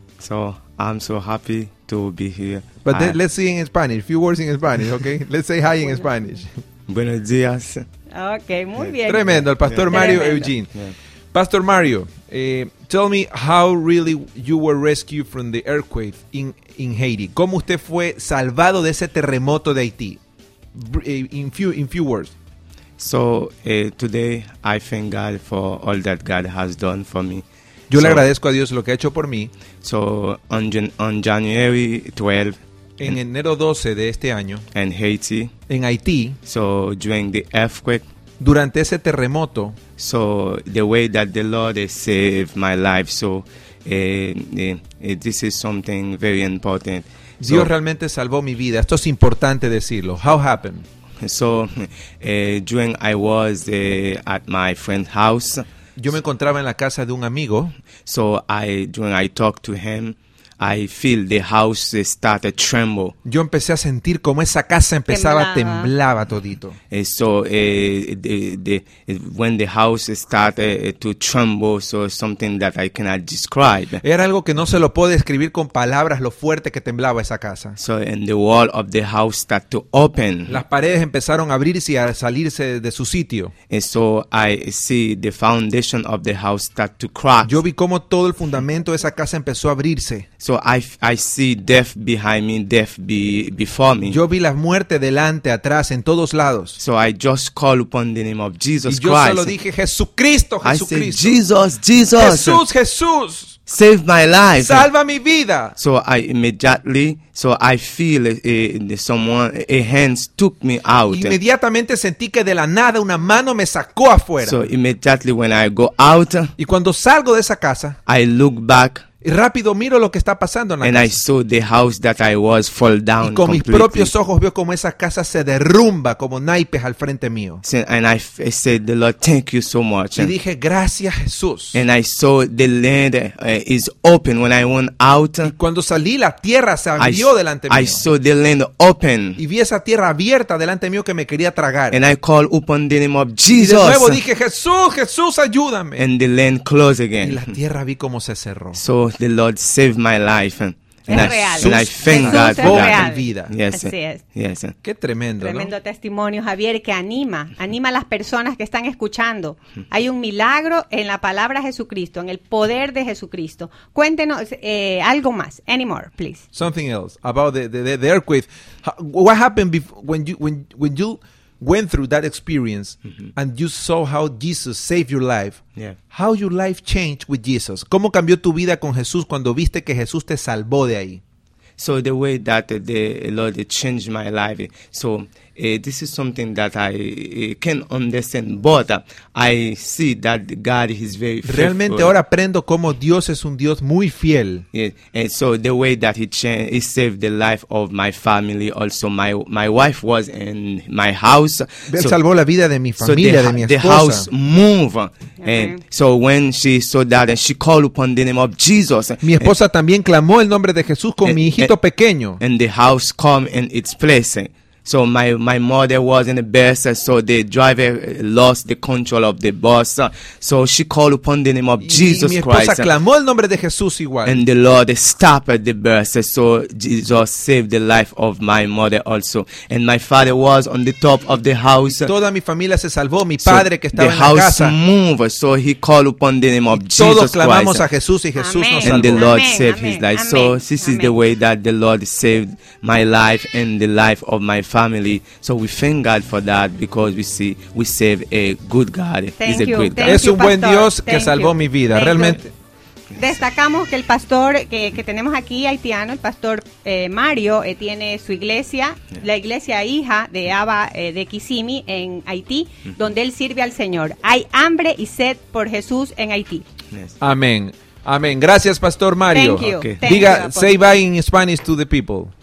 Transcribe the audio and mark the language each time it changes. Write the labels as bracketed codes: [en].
[en] So, I'm so happy to be here. But let's say in Spanish, a few words in Spanish, okay? Let's say hi in Spanish. [es] Buenos días. Okay, muy bien. Tremendo, el pastor Mario Eugene. Yeah. [en] Pastor Mario, tell me how really you were rescued from the earthquake in Haiti. [es] ¿Cómo usted fue salvado de ese terremoto de Haití? [en] In few words. So, today I thank God for all that God has done for me. [es] Yo le agradezco a Dios lo que ha hecho por mí. [en] So, on January 12th. [es] En enero 12 de este año. [en] In Haiti. [es] En Haití. [en] So, during the earthquake. [es] Durante ese terremoto. [en] So the way that the Lord has saved my life, so this is something very important. [es] Dios realmente salvó mi vida. Esto es importante decirlo. [en] How happened? So during I was at my friend's house. [es] Yo me encontraba en la casa de un amigo. [en] So I talked to him, I feel the house started tremble. [es] Yo empecé a sentir como esa casa empezaba temblaba todito. [en] So when the house started to tremble, so something that I cannot describe. [es] Era algo que no se lo puede describir con palabras lo fuerte que temblaba esa casa. [en] So and the wall of the house started to open. [es] Las paredes empezaron a abrirse y a salirse de su sitio. [en] And so I see the foundation of the house start to crack. [es] Yo vi como todo el fundamento de esa casa empezó a abrirse. [en] So I see death behind me, death before me. [es] Yo vi la muerte delante, atrás, en todos lados. [en] So I just call upon the name of Jesus Christ. [es] Y yo solo dije, Jesucristo, Jesucristo. [en] I said, Jesus, Jesus. [es] Jesús, Jesús. [en] Save my life. [es] Salva mi vida. [en] So I immediately, I feel someone, a hand took me out. [es] Inmediatamente sentí que de la nada una mano me sacó afuera. [en] So immediately when I go out. [es] Y cuando salgo de esa casa. [en] I look back. [es] Y rápido miro lo que está pasando en la casa. [en] And I saw the house that I was fall down [es] y con [en] completely. [es] Mis propios ojos veo como esa casa se derrumba como naipes al frente mío. [en] And I said, the Lord, thank you so much. [es] Y dije, gracias Jesús. [en] And I saw the land is open when I went out. [es] Y cuando salí, la tierra se abrió delante mío. [en] I saw the land open. [es] Y vi esa tierra abierta delante mío que me quería tragar. [en] And I called upon the name of Jesus. [es] Y de nuevo dije, Jesús, Jesús, ayúdame. [en] And the land closed again. [es] Y la tierra vi cómo se cerró. [en] So, the Lord saved my life and I thank God for my vida. Yes. [es] Yes. Qué tremendo, tremendo, ¿no? Testimonio, Javier, que anima a las personas que están escuchando. Hay un milagro en la palabra Jesucristo, en el poder de Jesucristo. Cuéntenos algo más. [en] Any more, please. Something else about the earthquake. What happened when you went through that experience, mm-hmm. and you saw how Jesus saved your life. Yeah. How your life changed with Jesus? ¿Cómo cambió tu vida con Jesús cuando viste que Jesús te salvó de ahí? So the way that the Lord changed my life. So This is something that I can understand, but I see that God is very faithful. [es] Realmente ahora aprendo cómo Dios es un Dios muy fiel. [en] Yes. And so the way that he saved the life of my family, also my wife was in my house. [es] Él salvó la vida de mi familia, de mi esposa. [en] The house moved. Okay. And so when she saw that, and she called upon the name of Jesus. [es] Mi esposa también clamó el nombre de Jesús con mi hijito pequeño. [en] And the house come in its place. So my mother was in the bus, so the driver lost the control of the bus. So she called upon the name of Jesus Christ. [es] Mi esposa clamó el nombre de Jesús igual. [en] And the Lord stopped the bus, so Jesus saved the life of my mother also. And my father was on the top of the house. [es] Toda mi familia se salvó, mi padre que estaba en la casa. [en] The house moved, so he called upon the name of Jesus Christ. [es] Todos clamamos a Jesús y Jesús nos salvó. [en] And the Lord saved his life. So this is the way that the Lord saved my life and the life of my family, so we thank God for that because we serve a good God. He's a great God. [es] Es un buen Dios que salvó mi vida. Realmente. Destacamos que el pastor que tenemos aquí, haitiano, el pastor Mario, tiene su iglesia, la iglesia hija de Abba de Kissimmee en Haití, donde él sirve al Señor. Hay hambre y sed por Jesús en Haití. Amén. Amén. Gracias, pastor Mario. [en] Thank you. Diga, say bye in Spanish to the people.